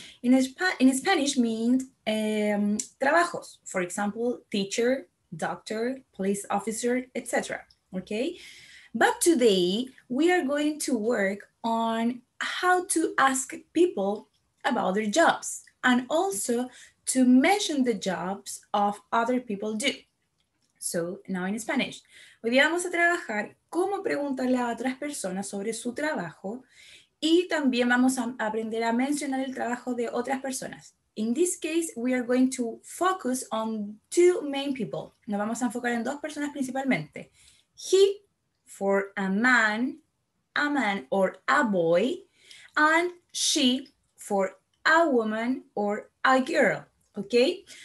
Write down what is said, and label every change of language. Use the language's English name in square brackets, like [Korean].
[English] In Spanish means trabajos, for example, teacher, doctor, police officer, etc. Okay, but today we are going to work on how to ask people about their jobs and also to mention the jobs of other people do. So now in Spanish, [Spanish] hoy día vamos a trabajar cómo preguntarle a otras personas sobre su trabajo y también vamos a aprender a mencionar el trabajo de otras personas. [English] In this case, we are going to focus on 2 main people. [Spanish] Nos vamos a enfocar en 2 personas principalmente. [English] He for a man or a boy, and she for a woman or a girl, okay?